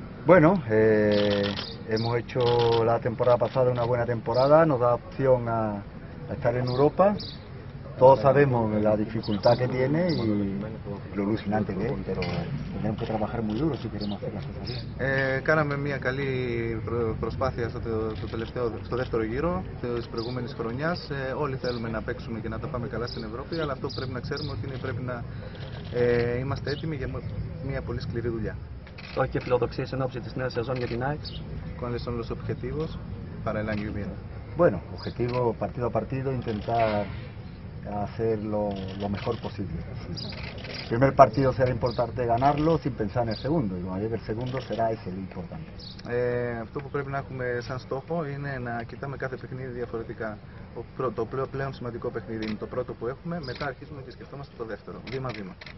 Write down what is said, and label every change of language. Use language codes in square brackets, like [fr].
[es] Bueno, hemos hecho la temporada pasada una buena temporada, nos da opción a estar en Europa. Todos sabemos la dificultad que tiene y lo alucinante que es, pero tenemos que trabajar muy duro si queremos hacer las cosas bien. [el] Κάναμε μια καλή προσπάθεια στο δεύτερο γύρο της προηγούμενης χρονιάς. Όλοι θέλουμε να παίξουμε και να τα πάμε καλά στην Ευρώπη, αλλά αυτό πρέπει να ξέρουμε ότι πρέπει να είμαστε έτοιμοι για μια πολύ σκληρή δουλειά. Το έχει και φιλοδοξίες εν ώψη της νέας σεζόν για την ΑΕΚ. [es] ¿Cuáles son los objetivos para el año que viene? Bueno, objetivo partido a partido, intentar hacer lo mejor posible. El primer partido será importante ganarlo sin pensar en el segundo. Y cuando llegue el segundo será ese lo importante. [el] Αυτό που πρέπει να έχουμε σαν στόχο είναι να κοιτάμε κάθε παιχνίδι διαφορετικά. Το πλέον σημαντικό παιχνίδι είναι το πρώτο που έχουμε, μετά αρχίζουμε και σκεφτόμαστε το δεύτερο, βήμα-βήμα.